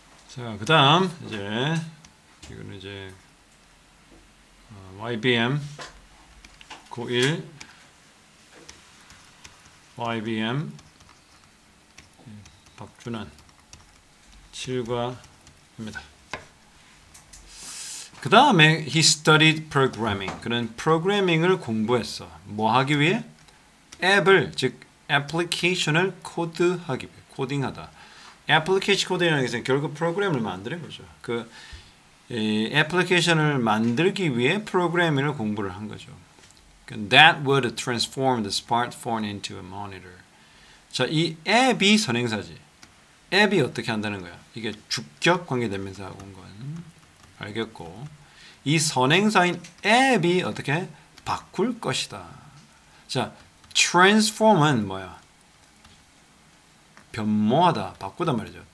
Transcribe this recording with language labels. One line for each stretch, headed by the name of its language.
Korean: 자, 그다음 이제 이거는 이제 YBM 고1 YBM 박준환 7과입니다. 그다음에
English: he studied programming.
Korean: 그는 프로그래밍을 공부했어. 뭐 하기 위해? 앱을 즉 애플리케이션을 코드하기 위해. 코딩하다. 애플리케이션 코딩이라는 것은 결국 프로그램을 만드는 거죠. 그 애플리케이션을 만들기 위해 프로그래밍을 공부를 한 거죠.
English: That would transform the smartphone into a monitor.
Korean: 자, 이 앱이 선행사지. 앱이 어떻게 한다는 거야? 이게 주격 관계대명사하고 온 건 알겠고, 이 선행사인 앱이 어떻게 바꿀 것이다. 자, transform은 뭐야? 변모하다, 바꾸단 말이죠.